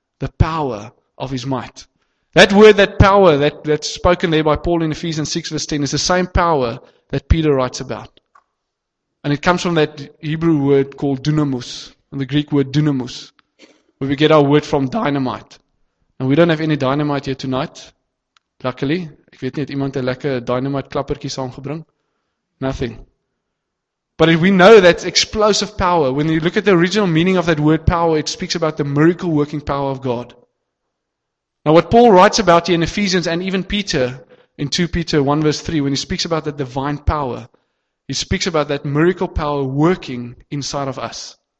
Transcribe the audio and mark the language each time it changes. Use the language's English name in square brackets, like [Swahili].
[English] The power of His might. That word, that power, that's spoken there by Paul in Ephesians 6 verse 10, is the same power that Peter writes about. And it comes from that Hebrew word called dunamis, and the Greek word dunamis, where we get our word from dynamite. And we don't have any dynamite here tonight, luckily. [Afrikaans] Ek weet nie, het iemand 'n lekker dynamite klappertjie saamgebring? [English] Nothing. But we know that explosive power. When you look at the original meaning of that word power, it speaks about the miracle working power of God. Now what Paul writes about here in Ephesians and even Peter in 2 Peter 1 verse 3, when he speaks about that divine power, he speaks about that miracle power working inside of us.